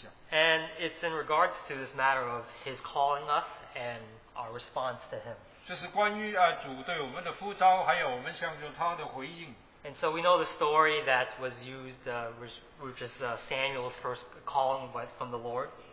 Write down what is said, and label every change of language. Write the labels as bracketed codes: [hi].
[en] And it's in regards to this matter of his calling us and our response to him. [zh] 这是关于, 主对我们的呼召, 还有我们向着他的回应。 [en] And so we know the story that was used, which is Samuel's first calling from the Lord.